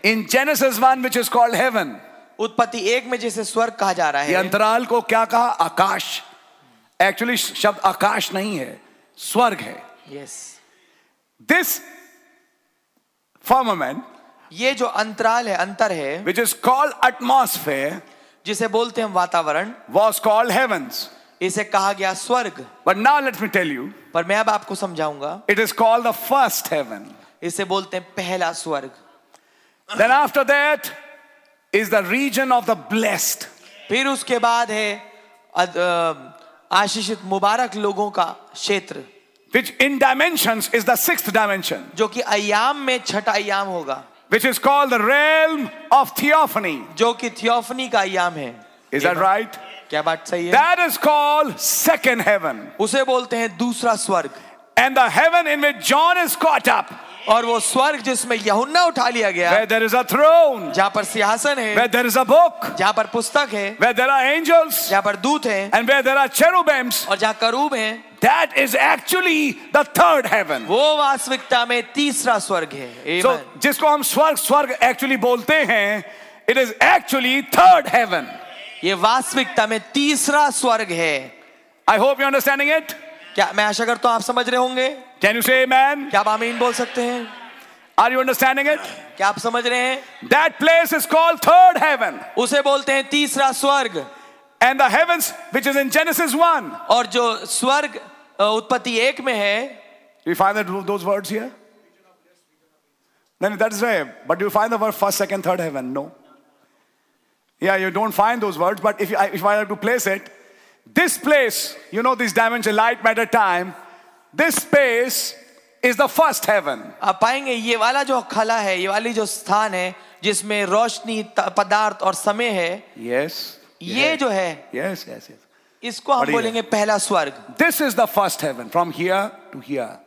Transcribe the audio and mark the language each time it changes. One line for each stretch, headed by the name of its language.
English: In Genesis 1, which is called heaven.
Hindi: उत्पत्ति एक में जिसे स्वर्ग कहा जा रहा है. अंतराल को क्या कहा? आकाश. एक्चुअली शब्द आकाश नहीं है, स्वर्ग है.
English: Yes. This firmament.
Hindi: ये जो अंतराल है, अंतर है,
English: which is called atmosphere,
Hindi: जिसे बोलते हैं वातावरण,
English: was called heavens,
Hindi: इसे कहा गया स्वर्ग.
English: But now let me tell you.
Hindi: पर मैं अब आपको समझाऊंगा.
English: It is called the first heaven.
Hindi: इसे बोलते हैं पहला स्वर्ग.
English: Then after that is the region of the blessed.
Hindi: फिर उसके बाद है आशीषित मुबारक लोगों का क्षेत्र.
English: Which in dimensions is the sixth dimension.
Hindi: जो कि आयाम में छठा आयाम होगा.
English: Which is called the realm of theophany.
Hindi: जो कि थियोफनी का आयाम है.
English: Is that right?
Hindi: क्या बात सही है?
English: That is called second heaven.
Hindi: उसे बोलते हैं दूसरा स्वर्ग.
English: And the heaven in which John is caught up.
Hindi: और वो स्वर्ग जिसमें यहुन्ना उठा लिया गया.
English: Where there is a throne.
Hindi: जहाँ पर सिंहासन है.
English: Where there is a book.
Hindi: जहाँ पर पुस्तक है.
English: Where there are angels.
Hindi: जहाँ पर दूत हैं.
English: And where there are cherubims.
Hindi: और जहाँ करूब हैं.
English: That is actually the third heaven.
Hindi: वो वास्तविकता में तीसरा स्वर्ग है. So, जिसको हम स्वर्ग स्वर्ग एक्चुअली बोलते हैं,
English: it is actually third heaven.
Hindi: ये वास्तविकता में तीसरा स्वर्ग है.
English: I hope you're understanding it.
Hindi: क्या मैं आशा करता हूँ आप समझ रहे होंगे.
English: Can you say amen?
Hindi: क्या आप आमीन बोल सकते हैं?
English: Are you understanding it?
Hindi: क्या आप समझ रहे हैं?
English: That place is called third heaven.
Hindi: उसे बोलते हैं तीसरा स्वर्ग.
English: And the heavens, which is in Genesis 1.
Hindi: और जो स्वर्ग उत्पत्ति एक में है.
English: You find that those words here? Then that is right. But you find the word first, second, third heaven? No. Yeah, you don't find those words. But if I have to place it, this place, you know, this dimension, light, matter, time, this space is the first heaven.
Hindi: आप पाएंगे ये वाला जो खला है, ये वाली जो स्थान है, जिसमें रोशनी, पदार्थ और समय है.
English: Yes.
Hindi: ये जो है.
English: Yes, yes, yes.
Hindi: इसको हम बोलेंगे पहला स्वर्ग.
English: This is the first heaven from here to here.